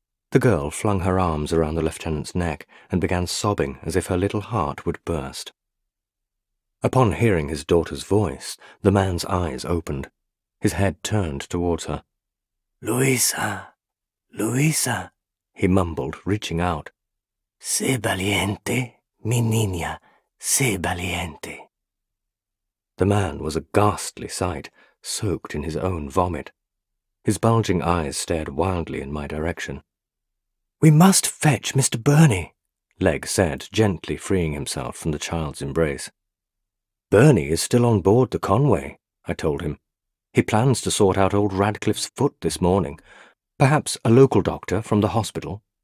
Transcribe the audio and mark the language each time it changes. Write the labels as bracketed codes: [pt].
[en] The girl flung her arms around the lieutenant's neck and began sobbing as if her little heart would burst. Upon hearing his daughter's voice, the man's eyes opened. His head turned towards her. "Luisa, Luisa," he mumbled, reaching out. [es] "Sé valiente, mi niña, sé valiente." [en] The man was a ghastly sight, soaked in his own vomit. His bulging eyes stared wildly in my direction. "We must fetch Mr. Burney," Legg said, gently freeing himself from the child's embrace. "Burney is still on board the Conway," I told him. "He plans to sort out old Radcliffe's foot this morning. Perhaps a local doctor from the hospital?"